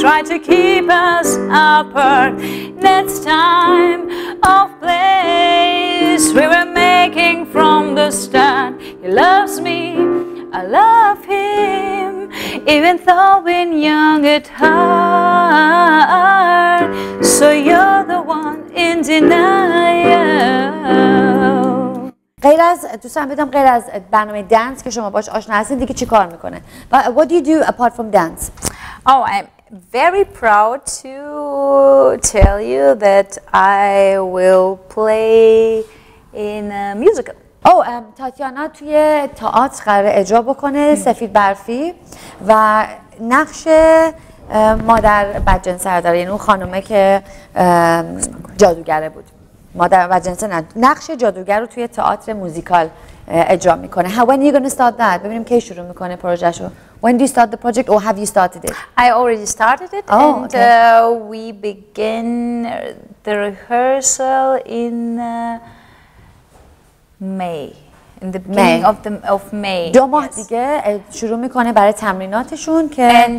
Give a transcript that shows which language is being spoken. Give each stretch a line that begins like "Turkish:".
English: Try to keep us apart. Next time of place, we were making from the start. He loves me, I love him. Even though when young at heart, so you're the one in denial.
Persian: غیر از دوستان بدم غیر از برنامه دانس که شما باش آشنا هستید دیگه چی کار میکنه؟
English: What do you do apart from dance? Oh, I'm very proud to tell you that I will play in a musical.
Persian: او تاتیانا توی تئاتر قراره اجرا بکنه سفید برفی و نقش مادر بدجنسه داره یعنی اون خانومه که جادوگره بود مادر بدجنسه نه نقش جادوگر رو توی تئاتر موزیکال اجرا میکنه
English: How, when are you going to start that?
Persian: ببینیم کی شروع میکنه پروژهشو
English: When do you start the project or have you started it? I already started it and we begin the rehearsal in May, in the beginning of the of May.
Persian: دو ماه دیگه شروع میکنه برای تمریناتشون که